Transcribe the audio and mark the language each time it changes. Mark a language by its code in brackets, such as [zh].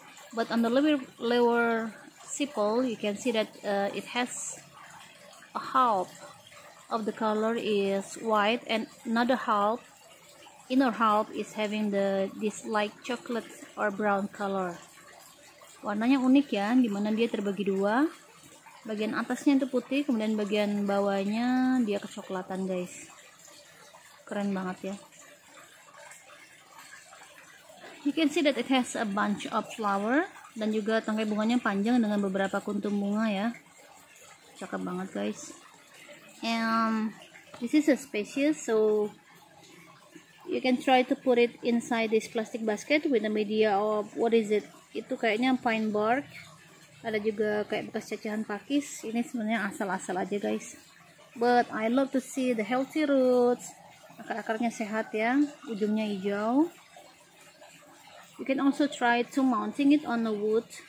[en] But on the lower sepal, you can see that it has a half of the color is white and another half, inner half, is having this light chocolate or brown color. [id] Warnanya unik ya, dimana dia terbagi dua. Bagian atasnya itu putih, kemudian bagian bawahnya dia kecoklatan guys. Keren banget ya. [en] You can see that it has a bunch of flower [id] dan juga tangkai bunganya panjang dengan beberapa kuntum bunga ya. Cakep banget guys. [en] And this is a species, so you can try to put it inside this plastic basket with the media of what is it? [id] Itu kayaknya pine bark. Ada juga kayak bekas cacahan pakis. Ini sebenarnya asal-asal aja guys. [en] But I love to see the healthy roots. [id] Akar-akarnya sehat ya, ujungnya hijau. [en] You can also try to mounting it on the wood.